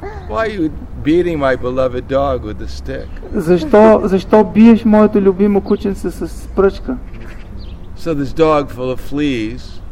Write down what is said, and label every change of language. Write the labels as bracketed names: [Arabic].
[English] Why you beating my beloved dog with a stick? [Bulgarian] Защо биеш моето любимо кученце с пръчка? [English] So this dog full of fleas.